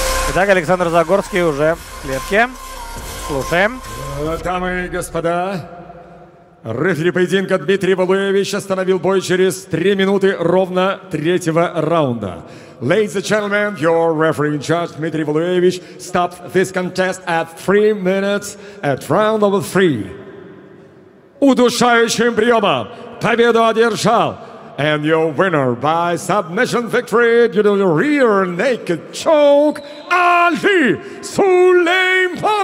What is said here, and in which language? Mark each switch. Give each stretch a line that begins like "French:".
Russian: Итак, Александр Загорский уже в клетке. Слушаем. Дамы и господа, рефери поединка Дмитрий Валуевич остановил бой через 3 минуты ровно третьего раунда.
English: Ladies and gentlemen, your referee in charge, Дмитрий Валуевич, stopped this contest at 3 minutes at round number 3.
Russian: Удушающим приемом победу одержал.
English: And your winner by submission victory due to the rear naked choke, Али Сулейманов!